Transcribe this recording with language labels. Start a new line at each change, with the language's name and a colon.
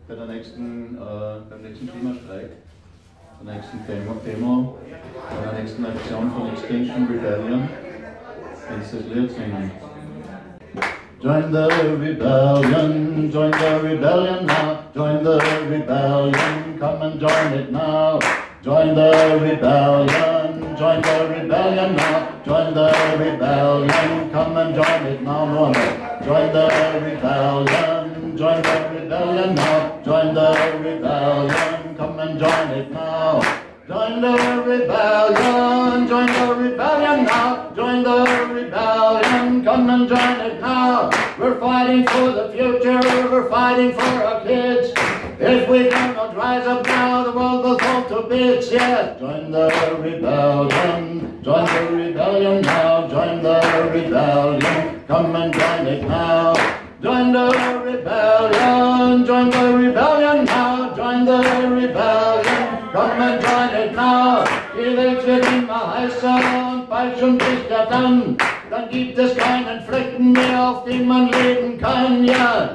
German: bei der nächsten, beim nächsten Klimastreik, der nächsten Demo, bei der nächsten Aktion von Extinction Rebellion, wenn sie das Lied singen.
English: Join the rebellion, join the rebellion now, join the rebellion, come and join it now. Join the rebellion, join the rebellion now, join the rebellion, come and join it now. No, no. Join the rebellion, join the rebellion now, join the rebellion, come and join it now. Join the rebellion, join the rebellion now, join the rebellion, come and join it now. We're fighting for the future, we're fighting for our kids. If we cannot rise up now, the world will fall to bits, yeah. Join the rebellion now, join the rebellion, come and join it now. Join the rebellion now, join the rebellion, come and join it now.
German: Die Welt wird immer heißer und bald schon bricht er dann. Dann gibt es keinen Flecken mehr, auf dem man leben kann, ja.